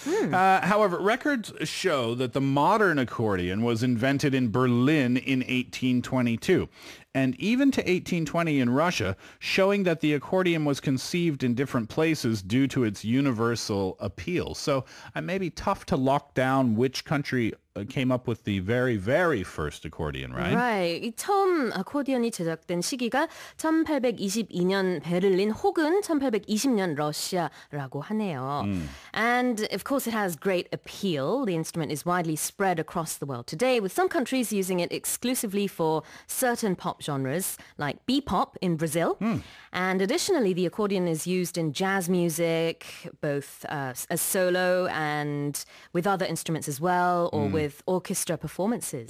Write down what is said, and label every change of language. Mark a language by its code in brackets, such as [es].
[en] However, records show that the modern accordion was invented in Berlin in 1822. And even to 1820 in Russia, showing that the accordion was conceived in different places due to its universal appeal. So it may be tough to lock down which country came up with the very, very first accordion, right? [ko] Right. 이 처음 아코디언이 제작된 시기가 1822년 베를린 혹은 1820년 러시아라고 하네요. [en] And of course it has great appeal. The instrument is widely spread across the world today, with some countries using it exclusively for certain pop genres like bebop in Brazil. And additionally, the accordion is used in jazz music, both as solo and with other instruments as well, or with orchestra performances.